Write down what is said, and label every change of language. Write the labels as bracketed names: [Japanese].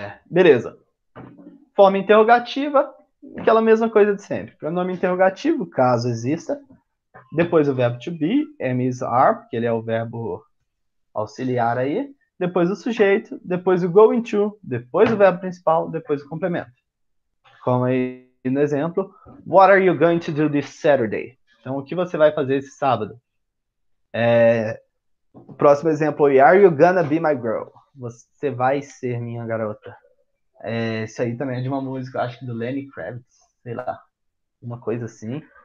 [Portuguese] Beleza. Forma interrogativa, aquela mesma coisa de sempre. Pronome interrogativo, caso exista. Depois o verbo to be, am, is, are, porque ele é o verbo auxiliar aí. Depois o sujeito, depois o going to, depois o verbo principal, depois o complemento. Como aí no exemplo, [English] what are you going to do this Saturday? [Portuguese] Então, o que você vai fazer esse sábado? O próximo exemplo, [English] are you gonna be my girl? [Portuguese] Você vai ser minha garota. Isso aí também é de uma música, acho que do Lenny Kravitz, sei lá, uma coisa assim.